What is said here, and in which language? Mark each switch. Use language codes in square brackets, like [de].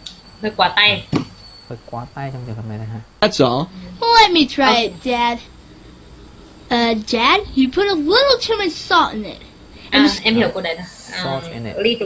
[vi] Thêm một ít, gọi là gì nhỉ? [en] A little too much. [vi] Nhiều, nhưng mà dạng là thêm một chút, mình dịch thế nào cho nó dễ hiểu nhỉ? A little rồi còn too much. Thêm một, gọi là nhiều muối quá trong trường hợp này. [en] That's all. Let me try it, Dad. Dad, you put a little too much salt in it. [vi] Em hiểu cô đấy là [en] salt in it.